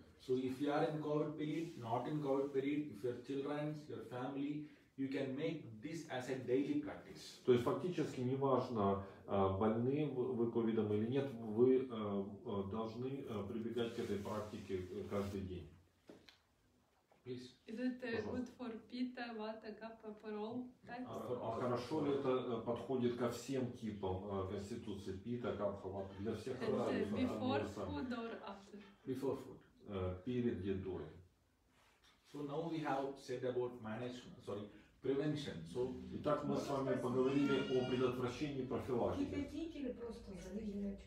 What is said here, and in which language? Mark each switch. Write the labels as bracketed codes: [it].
[en] So if you are in COVID period, not in COVID period, if your children, your family, you can make this as a daily practice. [ru] То есть фактически неважно, больны вы ковидом или нет, вы должны прибегать к этой практике каждый день. [en] Is it good for pitta, vata, kapha, for all types? [ru] Хорошо ли это подходит ко всем типам конституции пита, капха, вата, для всех разных? [en] Before food or after? Before food. [ru] Перед едой. [en] So now we have said about management, sorry, prevention. So, [ru] итак, мы с вами поговорили о предотвращении, профилактике. Кипятители просто заливать